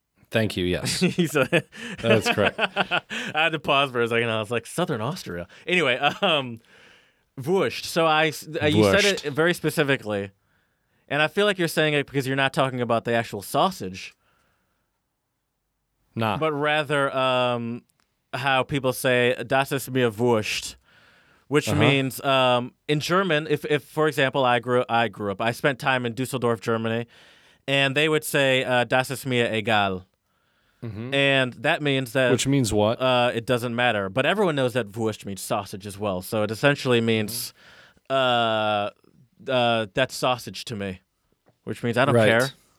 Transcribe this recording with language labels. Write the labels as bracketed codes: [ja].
[en] Thank you, yes. That's correct. I had to pause for a second. I was like, Southern Austria. Anyway, Wurst. So you said it very specifically, and I feel like you're saying it because you're not talking about the actual sausage. Nah. But rather how people say, [de] das ist mir Wurst. [en] Which means in German, if for example, I grew up, I spent time in Dusseldorf, Germany, and they would say, [de] das ist mir egal. [en] Mm-hmm. And that means that... Which means what? It doesn't matter. But everyone knows that Wurst means sausage as well. So it essentially means that's sausage to me, which means I don't care.